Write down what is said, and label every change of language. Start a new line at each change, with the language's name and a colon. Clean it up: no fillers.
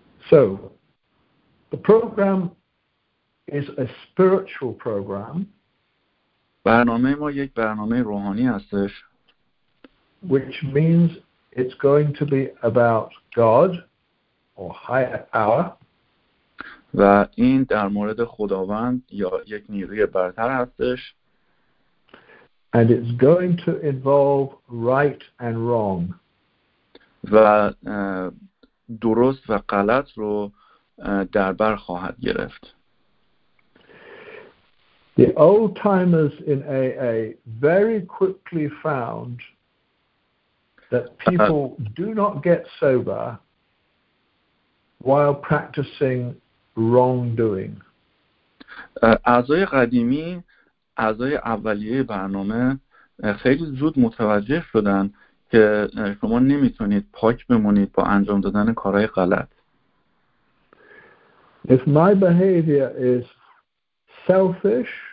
English: So, the program is a spiritual program.
Persian: برنامه ما یک برنامه روحانی هستش.
English: Which means it's going to be about God or higher power.
Persian: و این در مورد خداوند یا یک نیروی برتر هستش.
English: And it's going to involve right and wrong.
Persian: و درست و غلط رو در بر خواهد گرفت.
English: The old timers in AA very quickly found that people do not get sober while practicing wrongdoing.
Persian: اعضای قدیمی، اعضای اولیه برنامه خیلی زود متوجه شدن که شما نمیتونید پاک بمونید با انجام دادن کارهای غلط.
English: If my behavior is selfish,